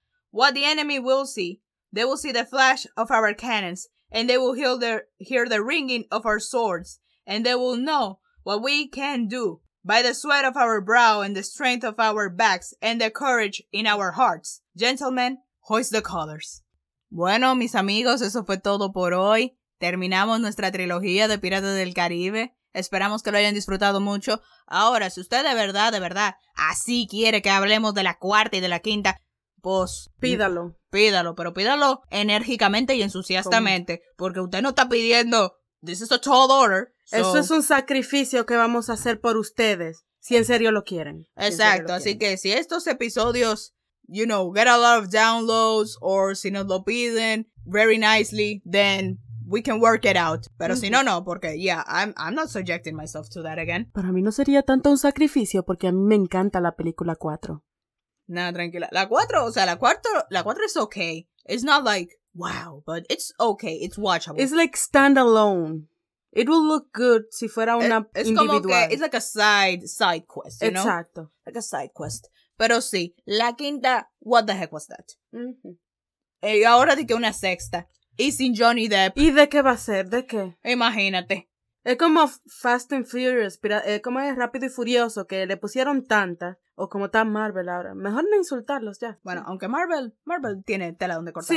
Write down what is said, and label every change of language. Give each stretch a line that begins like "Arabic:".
English: What the enemy will see, they will see the flash of our cannons, and they will hear the ringing of our swords, and they will know what we can do by the sweat of our brow and the strength of our backs and the courage in our hearts. Gentlemen, hoist the colors.
Spanish: Bueno, mis amigos, eso fue todo por hoy. Terminamos nuestra trilogía de Piratas del Caribe. Esperamos que lo hayan disfrutado mucho. Ahora, si usted de verdad, así quiere que hablemos de la cuarta y de la quinta, pues... Pídalo, pero pídalo enérgicamente y entusiastamente. ¿Cómo? Porque usted no está pidiendo...
English: This is a tall order. So...
Spanish: Eso es un sacrificio que vamos a hacer por ustedes, si en serio lo quieren. Exacto, así que si estos episodios...
English: You know, get a lot of downloads, or
Spanish: si nos lo piden
English: very nicely, then we can work it out. Pero mm-hmm.
Spanish: si no, porque
English: yeah, I'm not subjecting myself to that again.
Spanish: Para mí no sería tanto un sacrificio, porque a mí me encanta la película 4. Nah, tranquila. La 4, o sea, la 4 es okay.
English: It's not like, wow, but it's okay, it's watchable. It's like standalone. It will look good
Spanish: si fuera una
English: it's individual.
Spanish: Como que,
English: it's like a side quest, you
Spanish: exacto.
English: know? Like a side quest.
Spanish: Pero sí, la quinta,
English: what the heck was that? Mm-hmm.
Spanish: Y ahora de que una sexta, y sin Johnny Depp. ¿Y de qué va a ser? ¿De qué? Imagínate. Es como Fast and Furious, como es Rápido y Furioso, que le pusieron tanta, o como está Marvel ahora. Mejor no insultarlos ya. Bueno, aunque Marvel tiene tela donde cortar.